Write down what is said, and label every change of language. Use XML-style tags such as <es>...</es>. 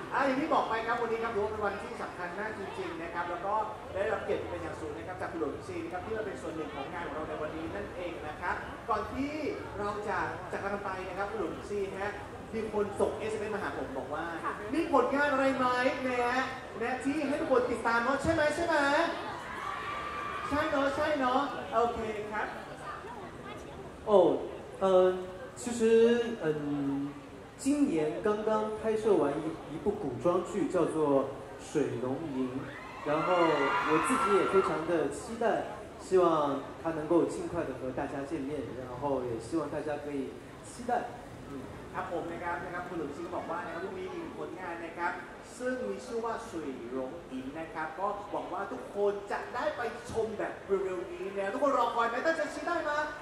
<th>อย่างที่บอกไปครับวันนี้ครับถือว่าเป็นวันที่สำคัญมากจริงๆนะครับแล้วก็ได้รับเกียรติเป็นอย่างสูงนะครับจากคุณหลวงซีนะครับที่มาเป็นส่วนหนึ่งของงานของเราในวันนี้นั่นเองนะครับก่อนที่เราจะจากกันไปนะครับคุณหลวงซีฮะมีคนส่งเอสเอ็มเอสมาหาผมบอกว่ามีผลงานอะไรไหมนะฮะที่ให้ทุกคนติดตามเนาะใช่ไหมใช่ไหมใช่เนาะใช่เนาะโอเคครับ</th> <zh>โอ้其实今年刚刚拍摄完一部古装剧叫做水龙吟，然后我自己也非常的期待，希望它能够尽快的和大家见面，然后也希望大家可以期待。</zh> <th>ครับผมนะครับคุณหลุยส์ก็บอกว่านะครับพรุ่งนี้มีผลงานนะครับ ซึ่งมีชื่อว่าสุยหลงอินนะครับก็หวังว่าทุกคนจะได้ไปชมแบบเร็วๆนี้นะทุกคนรอคอยไหมตั้งใจชี้ได้มา</th>